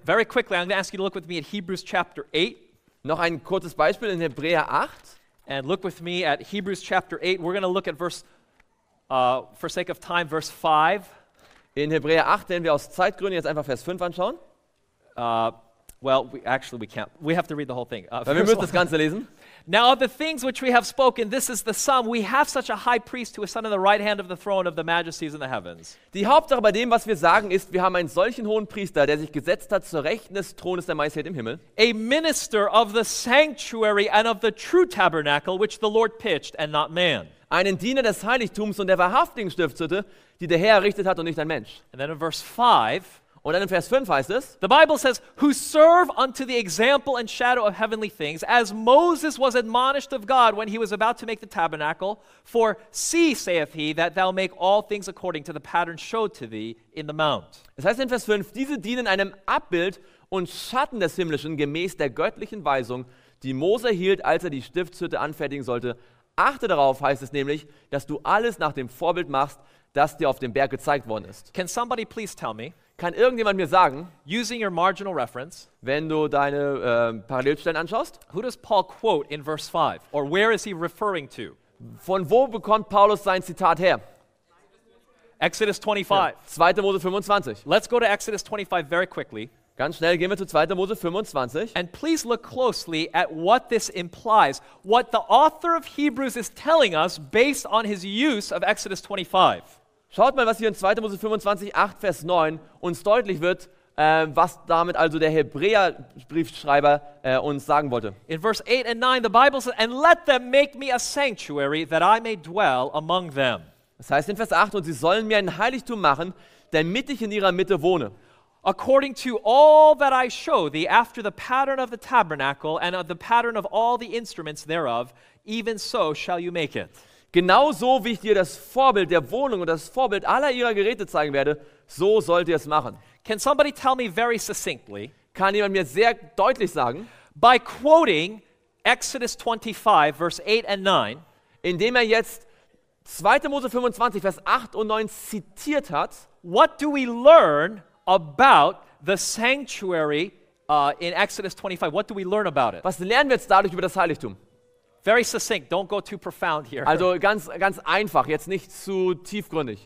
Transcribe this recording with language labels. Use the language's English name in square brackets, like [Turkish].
[English] Very quickly, I'm going to ask you to look with me at Hebrews chapter 8. [German] Noch ein kurzes Beispiel in Hebräer 8. [English] And look with me at Hebrews chapter 8. We're going to look at verse, for sake of time, verse 5. [German] In Hebräer 8, wenn wir aus Zeitgründen jetzt einfach Vers 5 anschauen. [English] Well, we can't. We have to read the whole thing. [German] Wir müssen das Ganze lesen. [English] Now of the things which we have spoken, this is the sum. We have such a high priest who is sitting on the right hand of the throne of the majesties in the heavens. [German] Die Hauptsache bei dem, was wir sagen, ist, wir haben einen solchen hohen Priester, der sich gesetzt hat zur Rechten des Thrones der Majestät im Himmel. [English] A minister of the sanctuary and of the true tabernacle, which the Lord pitched and not man. [German] Einen Diener des Heiligtums und der wahrhaftigen Stiftshütte, die der Herr errichtet hat und nicht ein Mensch. [English] And then in verse 5, [German] und dann in Vers 5 heißt es, [English] the Bible says, who serve unto the example and shadow of heavenly things, as Moses was admonished of God when he was about to make the tabernacle, for see, saith he, that thou make all things according to the pattern showed to thee in the mount. [German] Es heißt in Vers 5, diese dienen einem Abbild und Schatten des Himmlischen gemäß der göttlichen Weisung, die Mose hielt, als er die Stiftshütte anfertigen sollte. Achte darauf, heißt es nämlich, dass du alles nach dem Vorbild machst, das dir auf dem Berg gezeigt worden ist. [English] Can somebody please tell me, [German] kann irgendjemand mir sagen, [English] using your marginal reference, [German] wenn du deine Parallelstellen anschaust, [English] who does Paul quote in verse 5? Or where is he referring to? [German] Von wo bekommt Paulus sein Zitat her? [English] Exodus 25. [German] Ja. 2. Mose 25. [English] Let's go to Exodus 25 very quickly. [German] Ganz schnell gehen wir zu 2. Mose 25. [English] And please look closely at what this implies. What the author of Hebrews is telling us based on his use of Exodus 25. [German] Schaut mal, was hier in 2. Mose 25, 8, Vers 9 uns deutlich wird, was damit also der Hebräerbriefschreiber uns sagen wollte. [English] In verse 8 and 9, the Bible says, and let them make me a sanctuary that I may dwell among them. [German] Das heißt in Vers 8, und sie sollen mir ein Heiligtum machen, damit ich in ihrer Mitte wohne. [English] According to all that I show thee after the pattern of the tabernacle and of the pattern of all the instruments thereof, even so shall you make it. [German] Genau so, wie ich dir das Vorbild der Wohnung und das Vorbild aller ihrer Geräte zeigen werde, so sollt ihr es machen. [English] Can somebody tell me very succinctly, [German] kann jemand mir sehr deutlich sagen, [English] by quoting Exodus 25, verse 8 and 9, [German] indem er jetzt 2. Mose 25, Vers 8 und 9 zitiert hat, [English] what do we learn about the sanctuary in Exodus 25? What do we learn about it? [German] Was lernen wir jetzt dadurch über das Heiligtum? [English] Very succinct, don't go too profound here. [German] Also ganz, ganz einfach, jetzt nicht zu tiefgründig.